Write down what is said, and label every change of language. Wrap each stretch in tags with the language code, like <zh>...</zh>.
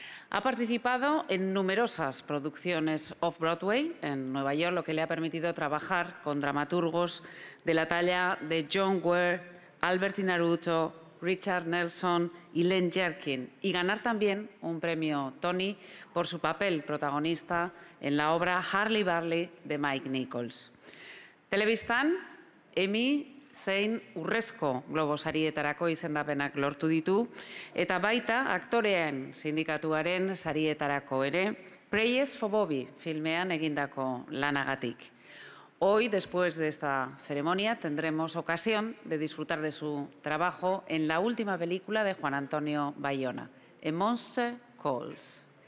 <es>Ha participado en numerosas producciones off-Broadway en Nueva York, lo que le ha permitido trabajar con dramaturgos de la talla de John Ware, Alberti Naruto, Richard Nelson y Len Yerkin, y ganar también un premio Tony por su papel protagonista en la obra Harley Barley de Mike Nichols.</es> <eu>Telebistan, Emmy, zein urrezko globosarietarako izendapenak lortu ditu, eta baita aktorean sindikatuaren sarietarako ere, Prayers for Bobby filmean egindako lanagatik.</eu> <es>Hoy, después de esta ceremonia, tendremos ocasión de disfrutar de su trabajo en la última película de Juan Antonio Bayona, A Monster Calls.</es>